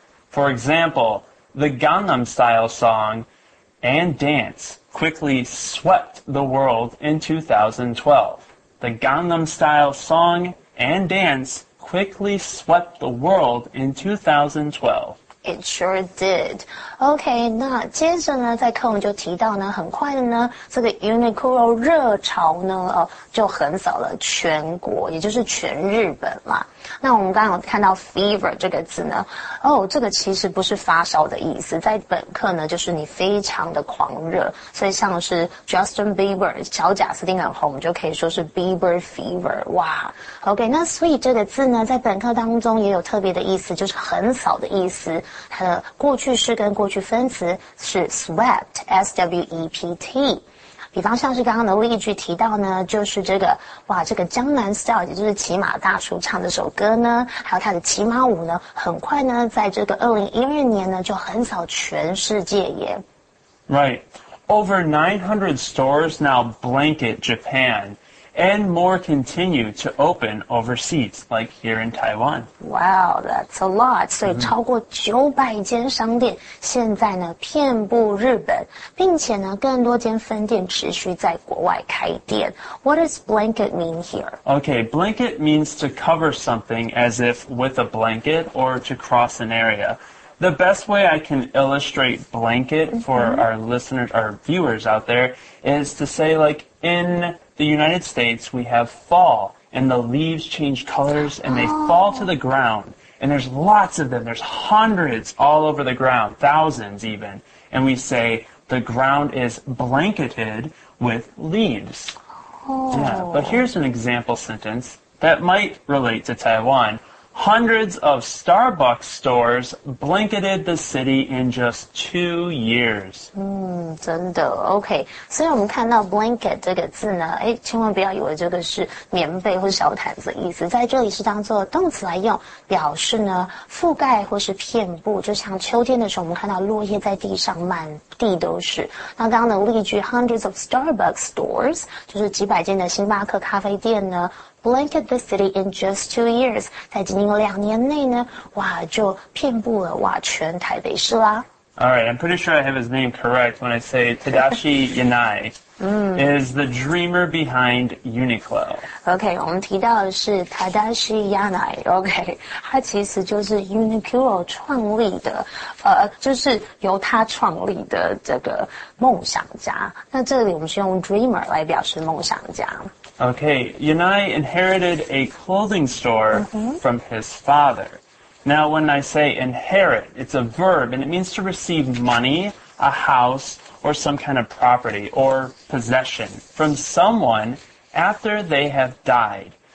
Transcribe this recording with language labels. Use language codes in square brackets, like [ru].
[en] For example, the Gangnam Style song and dance quickly swept the world in 2012. The Gangnam Style song and dance quickly swept the world in 2012. It sure did. [zh] OK, 那接着呢在课文就提到呢很快的呢这个 Uniqlo 热潮呢、就横扫了全国也就是全日本嘛。那我们刚刚有看到 fever 这个字呢哦这个其实不是发烧的意思在本课呢就是你非常的狂热所以像是 Justin Bieber, 小贾斯汀很红就可以说是 Bieber fever, 哇 OK, 那 sweep 这个字呢在本课当中也有特别的意思就是横扫的意思它的过去式跟过去分词是 swept, S-W-E-P-T。比方像是刚刚的例句提到呢就是这个哇这个江南 style, 也就是骑马大叔唱的首歌呢还有他的骑马舞呢很快呢在这个2012年呢就横扫全世界耶。 [en] Right. Over 900 stores now blanket Japan, and more continue to open overseas, like here in Taiwan. Wow, that's a lot. [zh] 所以超过900间商店现在呢遍布日本并且呢更多间分店持续在国外开店。 [en] What does blanket mean here? Okay, blanket means to cover something as if with a blanket or to cross an area. The best way I can illustrate blanket for our listeners, our viewers out there, is to say like in... The United States, we have fall, and the leaves change colors, and they fall to the ground. And there's lots of them. There's hundreds all over the ground, thousands even. And we say the ground is blanketed with leaves. Oh. Yeah, but here's an example sentence that might relate to Taiwan. Hundreds of Starbucks stores blanketed the city in just 2 years. [zh] 真的 ,OK. 所以我们看到 blanket 这个字呢诶千万不要以为这个是棉被或小毯子的意思。在这里是当作动词来用表示呢覆盖或是遍布就像秋天的时候我们看到落叶在地上满地都是。那刚刚的例句 , hundreds of Starbucks stores, 就是几百间的星巴克咖啡店呢 Blanket the city in just 2 years. 在仅仅两年内呢，哇，就遍布了哇全台北市啦。 [en] All right, I'm pretty sure I have his name correct when I say Tadashi Yanai. is the dreamer behind Uniqlo. [zh] OK, 我们提到的是 Tadashi Yanai, OK, 他其实就是 Uniqlo 创立的就是由他创立的这个梦想家。那这里我们是用 dreamer 来表示梦想家。 [en] OK, Yanai inherited a clothing store from his father. Now, when I say inherit, it's a verb, and it means to receive money, a house,or some kind of property or possession from someone after they have died.